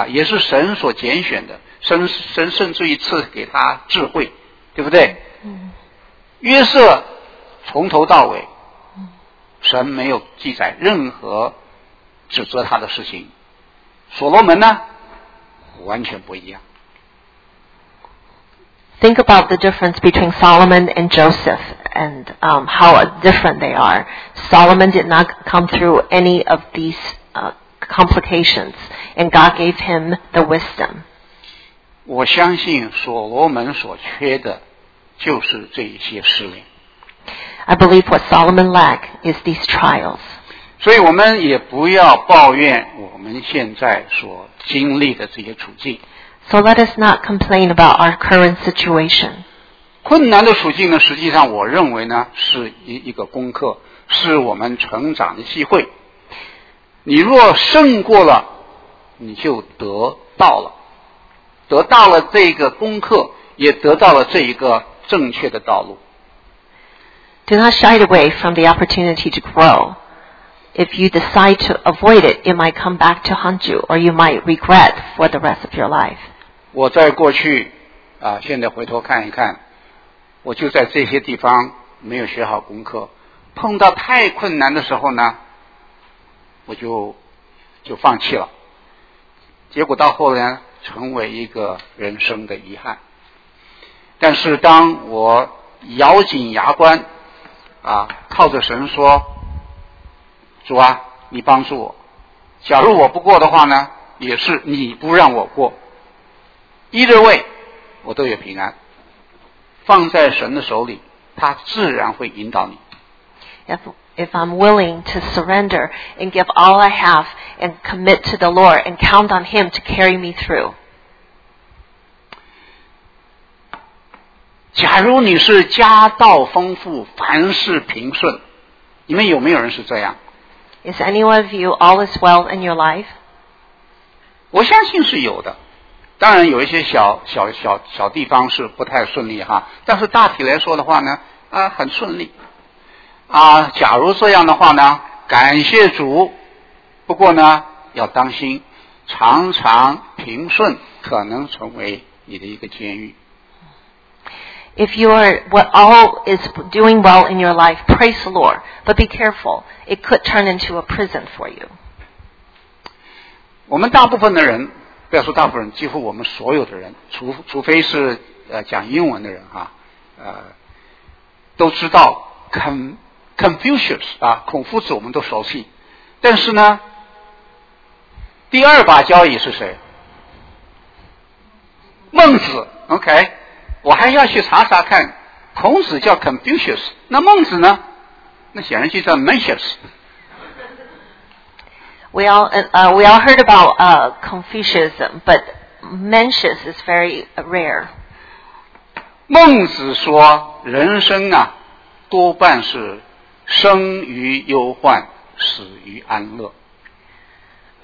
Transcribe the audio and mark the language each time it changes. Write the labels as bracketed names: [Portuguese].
[Chinese] 啊，也是神所拣选的，神甚至于赐给他智慧，对不对、嗯、约瑟从头到尾神没有记载任何指责他的事情，所罗门呢完全不一样。 [English] Think about the difference between Solomon and Joseph and、how different they are. Solomon did not come through any of these、complications and God gave him the wisdom. [Chinese] 我相信所罗门所缺的就是这一些试炼。 [English] I believe what Solomon lacked is these trials. [Chinese] 所以我们也不要抱怨我们现在所经历的这些处境。 [English] So let us not complain about our current situation. [Chinese] 困难的处境呢，实际上我认为呢是一个功课，是我们成长的机会。你若胜过了，你就得到了，得到了这个功课，也得到了这一个正确的道路。 [English] Do not shy away from the opportunity to growIf you decide to avoid it, it might come back to haunt you, or you might regret for the rest of your life. [Chinese] 我在过去、现在回头看一看，我就在这些地方没有学好功课，碰到太困难的时候呢，我就放弃了，结果到后来成为一个人生的遗憾。但是当我咬紧牙关、靠着神说，主啊，你帮助我，假如我不过的话呢，也是你不让我过， [English] either way [Chinese] 我都有平安，放在神的手里，他自然会引导你。 [English] If I'm willing to surrender and give all I have and commit to the Lord and count on him to carry me through. [Chinese] 假如你是家道丰富，凡事平顺，你们有没有人是这样？ [English] Is anyone of you all is well in your life? [Chinese] 我相信是有的，当然有一些小地方是不太顺利哈，但是大体来说的话呢，很顺利。假如这样的话呢，感谢主，不过呢，要当心，常常平顺可能成为你的一个监狱。 [English] If you are what all is doing well in your life, praise the Lord. But be careful; it could turn into a prison for you. [Chinese] 我们大部分的人，不要说大部分人，几乎我们所有的人，除非是讲英文的人哈、都知道 Confucius 啊，孔夫子我们都熟悉。但是呢，第二把交椅是谁？孟子 ，OK。我还要去查查看，孔子叫 Confucius， 那孟子呢？那显然就叫 Mencius。 [English] We all heard about Confucianism, but Mencius is very rare. [Chinese] 孟子说：“人生啊，多半是生于忧患，死于安乐。”